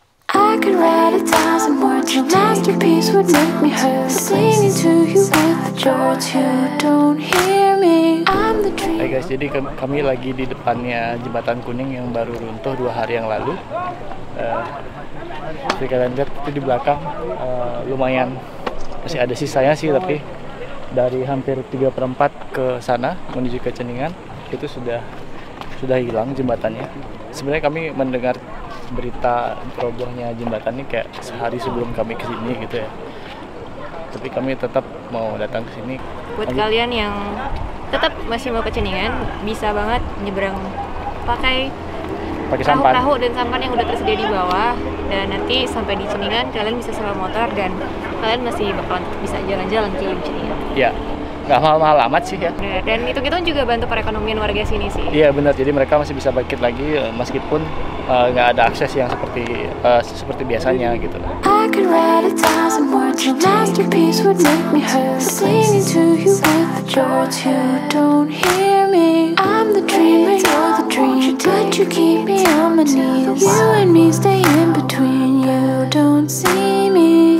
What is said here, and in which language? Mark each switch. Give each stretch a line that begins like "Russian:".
English: I could write a thousand words. Your masterpiece would make me hurt. Singing to you with the chords you don't hear me. I'm the dream.
Indonesian: Hai guys, jadi kami lagi di depannya jembatan kuning yang baru runtuh 2 hari yang lalu. Jadi kalian lihat itu di belakang lumayan masih ada sisanya sih, tapi dari hampir 3/4 ke sana menuju ke Ceningan itu sudah hilang jembatannya. Sebenarnya kami mendengar berita robohnya jembatan ini kayak sehari sebelum kami kesini gitu ya. Tapi kami tetap mau datang kesini. Buat kalian yang tetap masih mau ke Ceningan, bisa banget nyebrang pakai perahu dan sampan yang udah tersedia di bawah. Dan nanti sampai di Ceningan, kalian bisa sewa motor dan kalian masih bakalan bisa jalan-jalan ke Ceningan. Iya. Gak mahal-mahal amat sih ya. Dan hitung-hitung juga bantu perekonomian warga sini sih. Iya benar, jadi mereka masih bisa bangkit lagi meskipun gak ada akses yang seperti biasanya gitu.
English: I could write a thousand words, your masterpiece would make me hurt. Singing to you with the chords, you don't hear me. I'm the dreamer, you're the dream, but you keep me on my knees. You and me stay in between, you don't see me.